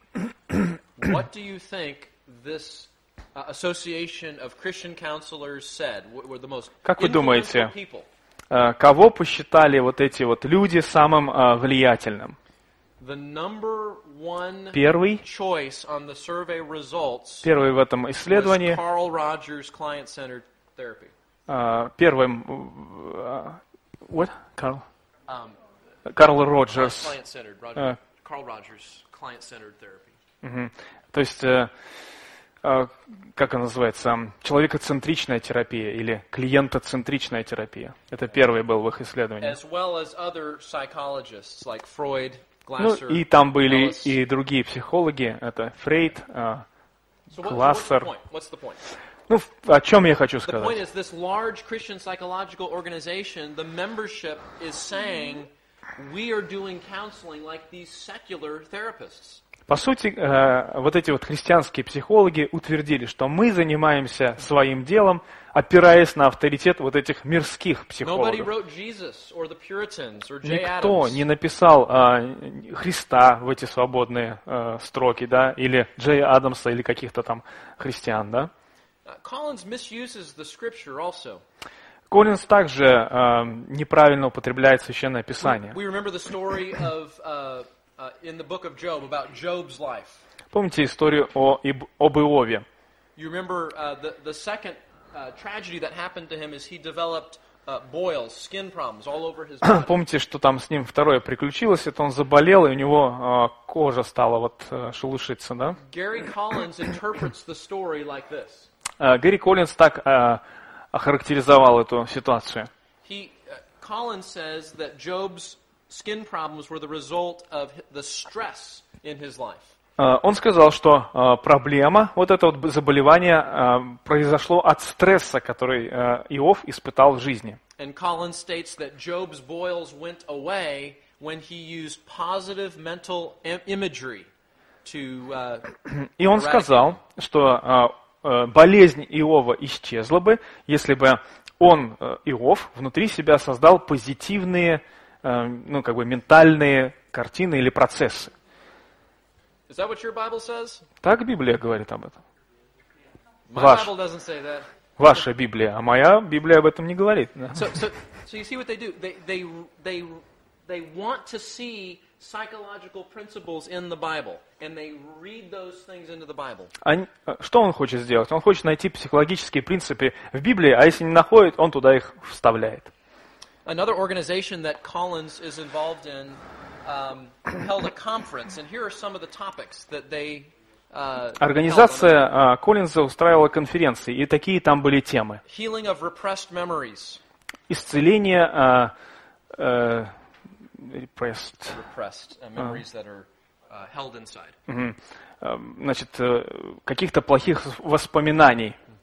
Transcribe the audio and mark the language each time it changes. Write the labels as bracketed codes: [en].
[en] What do you think this association of Christian counselors said were the most influential people? [ru] Как вы думаете, кого посчитали вот эти вот люди самым влиятельным? [en] The number one choice on the survey results. [ru] Первый в этом исследовании. [en] Carl Rogers client-centered therapy. [ru] Первым [en] what? Carl. Carl Rogers. Client-centered. Carl Rogers client-centered therapy. [ru] То есть, как она называется, человекоцентричная терапия или клиентоцентричная терапия. Это первый был в их исследовании. [en] As well as other psychologists, like Freud, Glasser, [ru] ну, и там были и другие психологи. Это Фрейд, Глассер. Ну, о чем я хочу сказать? [en] The point is this large Christian psychological organization, the membership is saying we are doing counseling like these secular therapists. [ru] По сути, вот эти вот христианские психологи утвердили, что мы занимаемся своим делом, опираясь на авторитет вот этих мирских психологов. Никто не написал Христа в эти свободные строки, да, или Джей Адамса, или каких-то там христиан, да. [en] Коллинз misuses the scripture also. [ru] Коллинз также неправильно употребляет Священное Писание. [en] We remember the story of, in the book of Job, about Job's life. [ru] Помните историю об Иове? [en] You remember the second tragedy that happened to him is he developed boils, skin problems all over his body. [ru] Помните, что там с ним второе приключилось? Это он заболел, и у него кожа стала вот шелушиться, да? [en] Gary Collins interprets the story like this. [ru] Гэри Коллинз так охарактеризовал эту ситуацию. [en] Коллинз says that Job's skin problems were the result of the stress in his life. [ru] Он сказал, что проблема, вот это вот заболевание, произошло от стресса, который Иов испытал в жизни. [en] And Collins states that Job's boils went away when he used positive mental imagery to. [ru] И он сказал, что болезнь Иова исчезла бы, если бы он, Иов, внутри себя создал позитивные, ну, как бы, ментальные картины или процессы. [en] Is that what your Bible says? [ru] Так Библия говорит об этом. [en] My Bible doesn't say that. [ru] Ваша Библия, а моя Библия об этом не говорит. [en] So you see what they do? They want to see psychological principles in the Bible, and they read those things into the Bible. [ru] Что он хочет сделать? Он хочет найти психологические принципы в Библии, а если не находит, он туда их вставляет. [en] Another organization that Collins is involved in held a conference, and here are some of the topics that they. [ru] Организация Коллинза устраивала конференции, и такие там были темы. [en] Healing of repressed memories. [ru] Исцеление. [en] Repressed memories that are held inside. [ru] Значит, каких-то плохих воспоминаний.